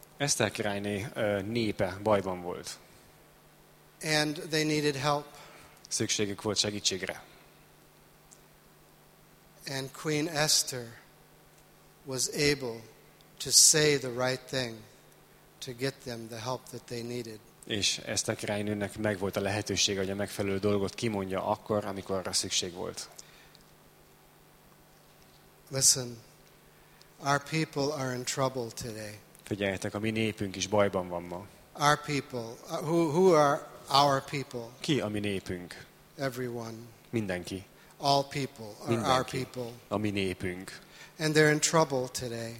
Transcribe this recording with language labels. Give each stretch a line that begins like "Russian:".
Hungarian: Eszter királyné népe bajban volt.
English: And they needed help.
Hungarian: Szükségük volt segítségre.
English: And Queen Esther was able to say the right thing to get them the help that they needed.
Hungarian: És Eszter királynőnek meg volt a lehetőség, hogy a megfelelő dolgot kimondja akkor, amikor arra szükség volt.
English: Listen, our people are in trouble today.
Hungarian: Figyeljetek, a mi népünk is bajban van ma.
English: Our people, who are our people?
Hungarian: Ki a mi népünk?
English: Everyone.
Hungarian: Mindenki.
English: All people are
Hungarian: mindenki.
English: Our people.
Hungarian: A mi népünk.
English: And they're in trouble today.